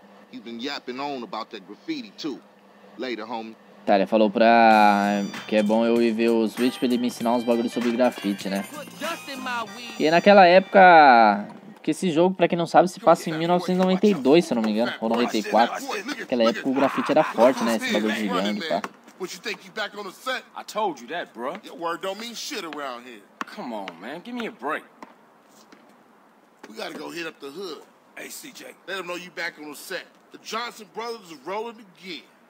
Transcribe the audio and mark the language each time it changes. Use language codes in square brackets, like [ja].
[en] He's been yapping on about that graffiti too. Later, homie. [pt] Tá, ele falou pra que é bom eu ir ver o Switch pra ele me ensinar uns bagulhos sobre grafite, né? E naquela época, que esse jogo, pra quem não sabe, se passa em 1992, se eu não me engano, ou 94. Naquela época o grafite era forte, né? Esse bagulho de gangue, pá. [en] What you think you back on the set? I told you that, bro. Your word don't mean shit around here. Come on, man. Give me a break. We gotta go hit up the hood. Hey, CJ. Let them know you back on the set. The Johnson brothers are rolling again.